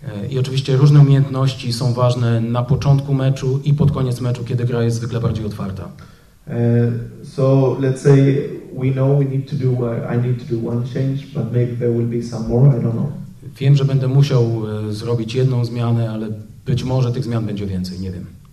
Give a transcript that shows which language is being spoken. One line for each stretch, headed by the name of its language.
Polish: I oczywiście różne umiejętności są ważne na początku meczu i pod koniec meczu, kiedy gra jest zwykle bardziej otwarta.
English: So let's say we know we need to do I need to do one change, but maybe there will be some more, I don't know.
Polish: Wiem, że będę musiał zrobić jedną zmianę, ale być może tych zmian będzie więcej, nie wiem.